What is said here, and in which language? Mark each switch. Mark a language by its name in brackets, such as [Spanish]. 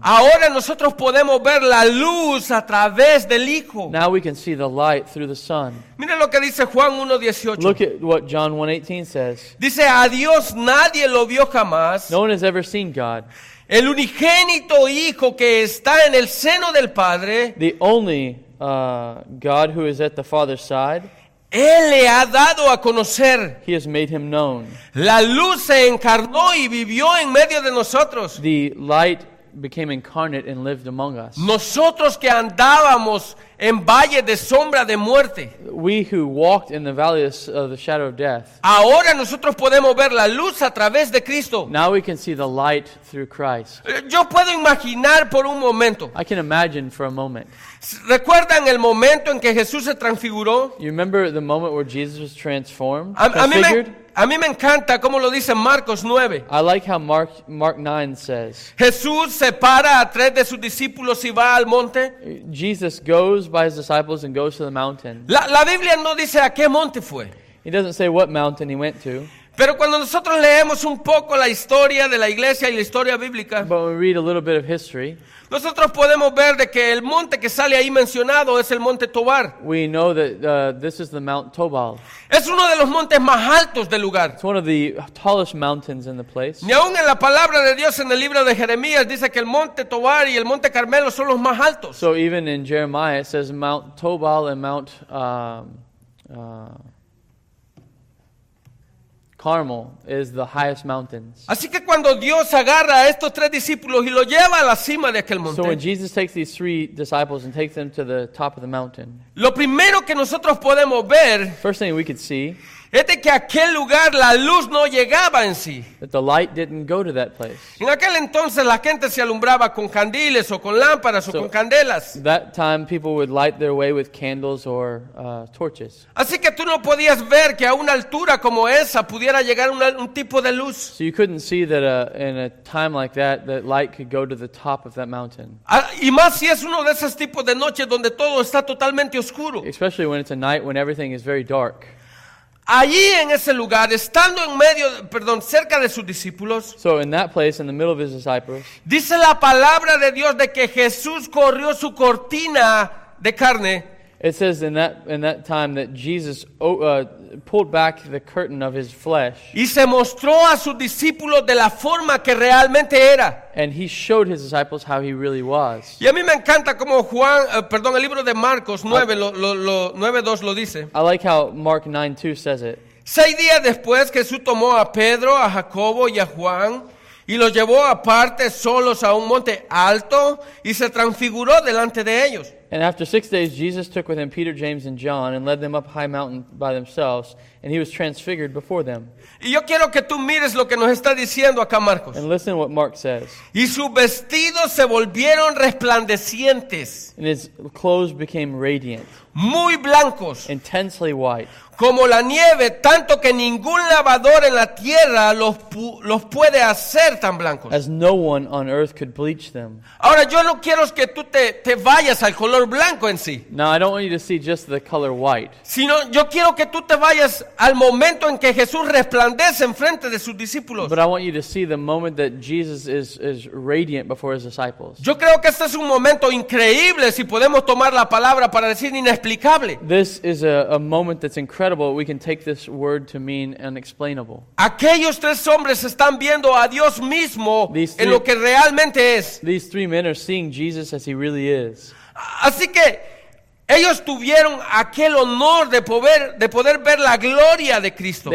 [Spanish] Ahora nosotros podemos ver la luz a través del Hijo. [English] Now we can see the light through the Son. [Spanish] Mira lo que dice Juan 1:18. [English] Look at what John 1:18 says. [Spanish] Dice, a Dios nadie lo vio jamás. [English] No one has ever seen God. [Spanish] El unigénito Hijo que está en el seno del Padre. [English] The only God who is at the Father's side. [Spanish] Él le ha dado a conocer. [English] He has made him known. [Spanish] La luz se encarnó y vivió en medio de nosotros. [English] The light became incarnate and lived among us. [Spanish] Nosotros que andábamos en valle de sombra de muerte. [English] We who walked in the valley of the shadow of death. [Spanish] Ahora nosotros podemos ver la luz a través de Cristo. [English] Now we can see the light through Christ. [Spanish] Yo puedo imaginar por un momento. [English] I can imagine for a moment. [Spanish] ¿Recuerdan el momento en que Jesús se transfiguró? [English] You remember the moment where Jesus was transformed? [Spanish] A mí me encanta cómo lo dice Marcos 9. [English] I like how Mark 9 says. [Spanish] Jesús separa a tres de sus discípulos y va al monte. [English] Jesus goes by his disciples and goes to the mountain. [Spanish] La Biblia no dice a qué monte fue. [English] It doesn't say what mountain he went to. [Spanish] Pero cuando nosotros leemos un poco la historia de la iglesia y la historia bíblica, [English] but we read a little bit of history, [Spanish] nosotros podemos ver de que el monte que sale ahí mencionado es el monte Tobar. [English] We know that this is the Mount Tobal. [Spanish] Es uno de los montes más altos del lugar. [English] It's one of the tallest mountains in the place. [Spanish] Ni aun en la palabra de Dios en el libro de Jeremías dice que el monte Tobar y el monte Carmelo son los más altos. [English] So even in Jeremiah it says Mount Tobal and Mount Carmel is the highest mountains. [Spanish] Así que cuando Dios agarra a estos tres discípulos y lo lleva a la cima de aquel monte. [English] So when Jesus takes these three disciples and takes them to the top of the mountain. [Spanish] Lo primero que nosotros podemos ver. [English] First thing we could see. [Spanish] Es de que aquel lugar la luz no llegaba en sí. [English] That the light didn't go to that place. [Spanish] En aquel entonces la gente se alumbraba con candiles o con lámparas o con candelas. [English] That time people would light their way with candles or torches. [Spanish] Así que tú no podías ver que a una altura como esa pudiera llegar un tipo de luz. [English] So you couldn't see that in a time like that that light could go to the top of that mountain. [Spanish] Y más si es uno de esos tipos de noches donde todo está totalmente oscuro. [English] Especially when it's a night when everything is very dark. [Spanish] Allí en ese lugar, estando en medio, cerca de sus discípulos. [English] So in that place, in the middle of his disciples. [Spanish] Dice la palabra de Dios de que Jesús corrió su cortina de carne. [English] It says in that time that Jesus pulled back the curtain of his flesh. [Spanish] Y se mostró a sus discípulos de la forma que realmente era. [English] And he showed his disciples how he really was. [Spanish] Y a mí me encanta como Juan, el libro de Marcos 9, 9:2 lo dice. [English] I like how Mark 9:2 says it. [Spanish] 6 días después, Jesús tomó a Pedro, a Jacobo y a Juan y los llevó aparte solos a un monte alto y se transfiguró delante de ellos. [English] And after 6 days, Jesus took with him Peter, James, and John and led them up a high mountain by themselves, and he was transfigured before them. [Spanish] Y yo quiero que tú mires lo que nos está diciendo acá Marcos. [English] And listen to what Mark says. [Spanish] Y sus vestidos se volvieron resplandecientes. [English] And his clothes became radiant. [Spanish] Muy blancos. [English] Intensely white. [Spanish] Como la nieve, tanto que ningún lavador en la tierra los puede hacer tan blancos. [English] As no one on earth could bleach them. [Spanish] Ahora yo no quiero que tú te vayas al color blanco en sí. [English] No, I don't want you to see just the color white. [Spanish] Sino yo quiero que tú te vayas al momento en que Jesús resplandece en frente de sus discípulos. [English] But I want you to see the moment that Jesus is radiant before his disciples. [Spanish] Yo creo que este es un momento increíble, si podemos tomar la palabra para decir inexplicable. [English] This is a moment that's incredible. We can take this word to mean unexplainable. [Spanish] Aquellos tres hombres están viendo a Dios mismo en lo que realmente es. [English] These three men are seeing Jesus as he really is. [Spanish] Así que ellos tuvieron aquel honor de poder ver la gloria de Cristo.